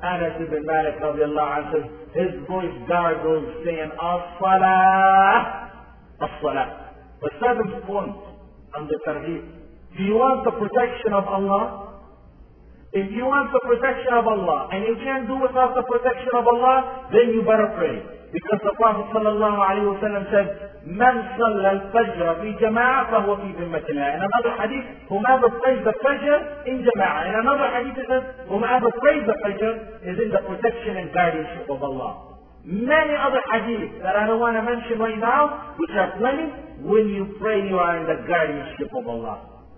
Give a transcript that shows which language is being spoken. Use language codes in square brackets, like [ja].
[en] Anas ibn Malik radiallahu anhu says, his voice gargles saying, As-salah, as-salah. The seventh point on the tarheeb. Do you want the protection of Allah? If you want the protection of Allah, and you can't do without the protection of Allah, then you better pray. Because the Prophet sallallahu alayhi wa sallam said, [ar] من صلى الفجر في جماعة فهو في ذمة الله. [en] In another hadith, whomever prays the Fajr in jama'ah. In another hadith, it says, whomever prays the Fajr is in the protection and guardianship of Allah. Many other hadith that I don't want to mention right now, which are plenty, when you pray, you are in the guardianship of Allah.